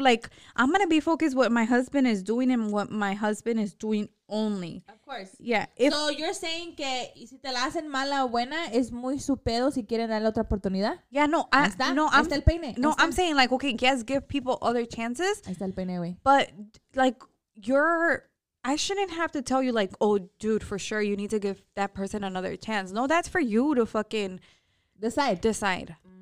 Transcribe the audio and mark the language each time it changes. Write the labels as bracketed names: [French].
[English] Like, I'm gonna be focused what my husband is doing and what my husband is doing only. Of course. Yeah. So you're saying [Spanish] que si te la hacen mala o buena es muy su pedo si quieren darle otra oportunidad. [English] Yeah. No. I'm saying, like, okay, yes, give people other chances. [Spanish] Ahí está el peine, güey. [English] But like, I shouldn't have to tell you, like, oh, dude, for sure you need to give that person another chance. No, that's for you to fucking. Decide.